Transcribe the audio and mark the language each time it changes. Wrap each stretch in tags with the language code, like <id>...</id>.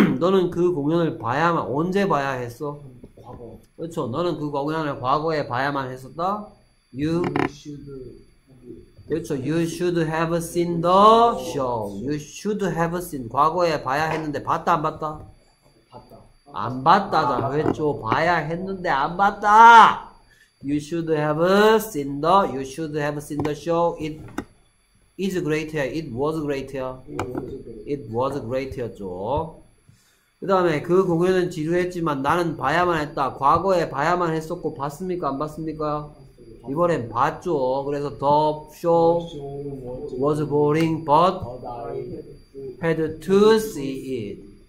<ko>너는 그 공연을 봐야만, 언제 봐야 했어? 과거. 그렇죠. 너는 그 공연을 과거에 봐야만 했었다?</ko> <en>You should have seen the show. You should have seen.</en> <ko>과거에 봐야 했는데 봤다, 안 봤다? 안 봤다다 그랬죠. 봐야 했는데 안 봤다.</ko> <en>You should have seen the You should have seen the show. It is great here. It was great here. It was great here죠.</en> <ko>그 다음에 그 공연은 지루했지만 나는 봐야만 했다. 과거에 봐야만 했었고 봤습니까 안 봤습니까? 이번엔 봤죠. 그래서</ko> <en>the show was boring but had to see it.</en>